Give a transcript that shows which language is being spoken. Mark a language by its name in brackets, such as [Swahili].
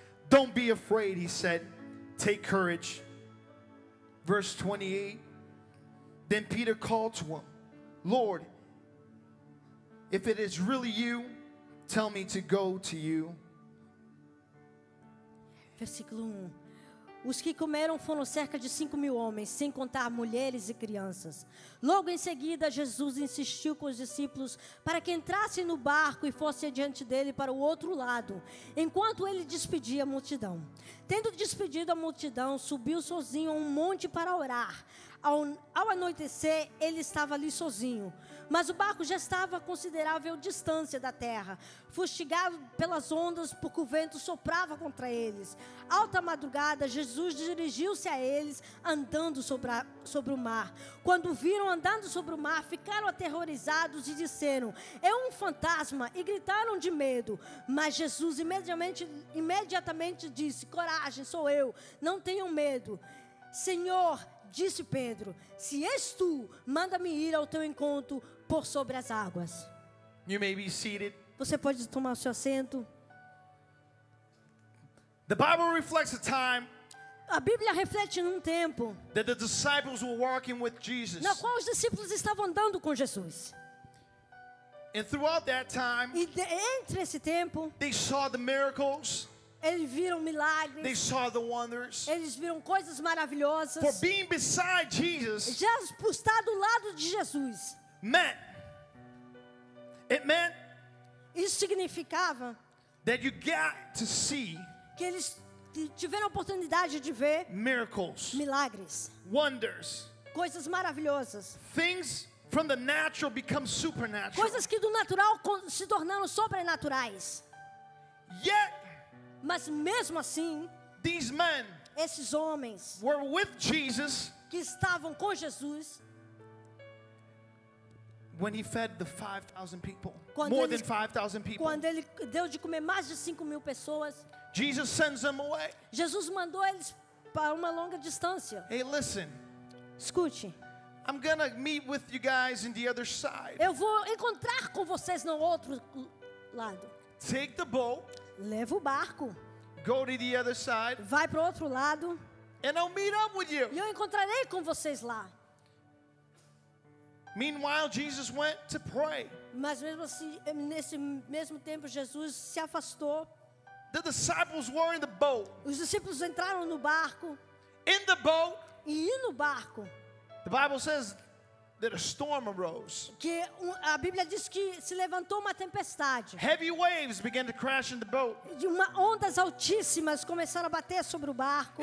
[English] "Don't be afraid," he said. "Take courage." Verse 28. Then Peter called to him, "Lord, if it is really you, tell me to go to you." [Portuguese] Versículo 1. Os que comeram foram cerca de 5,000 homens, sem contar mulheres e crianças. Logo em seguida, Jesus insistiu com os discípulos para que entrassem no barco e fossem adiante dele para o outro lado, enquanto ele despedia a multidão. Tendo despedido a multidão, subiu sozinho a um monte para orar. Ao anoitecer, ele estava ali sozinho. Mas o barco já estava a considerável distância da terra, fustigado pelas ondas, porque o vento soprava contra eles. Alta madrugada, Jesus dirigiu-se a eles, andando sobre o mar. Quando viram andando sobre o mar, ficaram aterrorizados e disseram, "É um fantasma!" E gritaram de medo. Mas Jesus imediatamente disse, "Coragem, sou eu, não tenham medo." "Senhor," disse Pedro, "se és tu, manda-me ir ao teu encontro por sobre as águas." [English] You may be seated. [Portuguese] Você pode tomar o seu assento. [English] The Bible reflects a time. [Portuguese] A Bíblia reflete num tempo. [English] That the disciples were walking with Jesus. [Portuguese] Na qual os discípulos estavam andando com Jesus. [English] And throughout that time. [Portuguese] E entre esse tempo. [English] They saw the miracles. [Portuguese] Eles viram milagres. [English] They saw the wonders. [Portuguese] Eles viram coisas maravilhosas. [English] For being beside Jesus. [Portuguese] Já por estar do lado de Jesus. [English] Meant. It meant. [Portuguese] Isso significava. [English] That you got to see. [Portuguese] Que eles tiveram a oportunidade de ver. [English] Miracles. [Portuguese] Milagres. [English] Wonders. [Portuguese] Coisas maravilhosas. [English] Things from the natural become supernatural. [Portuguese] Coisas que do natural se tornaram sobrenaturais. [English] Yet. [Portuguese] Mas mesmo assim, [English] these men, [Portuguese] esses homens, [English] were with Jesus, [Portuguese] que estavam com Jesus, [English] when he fed the 5,000 people, more than 5,000 people, [Portuguese] quando ele deu de comer mais de 5,000 pessoas, [English] Jesus sends them away. [Portuguese] Jesus mandou eles para uma longa distância. [English] Hey, listen, [Portuguese] escute, [English] I'm gonna meet with you guys in the other side. [Portuguese] Eu vou encontrar com vocês no outro lado. [English] Take the boat. [Portuguese] Leva o barco. [English] Go to the other side. [Portuguese] Vai pro outro lado. [English] And I'll meet up with you. [Portuguese] E eu encontrarei com vocês lá. [English] Meanwhile, Jesus went to pray. [Portuguese] Mas mesmo assim, nesse mesmo tempo, Jesus se afastou. [English] The disciples were in the boat. [Portuguese] Os discípulos entraram no barco. [English] In the boat. [Portuguese] E no barco. [English] The Bible says that a storm arose. [Portuguese] Que a Bíblia diz que se levantou uma tempestade. [English] Heavy waves began to crash in the boat. [Portuguese] E uma ondas altíssimas começaram a bater sobre o barco.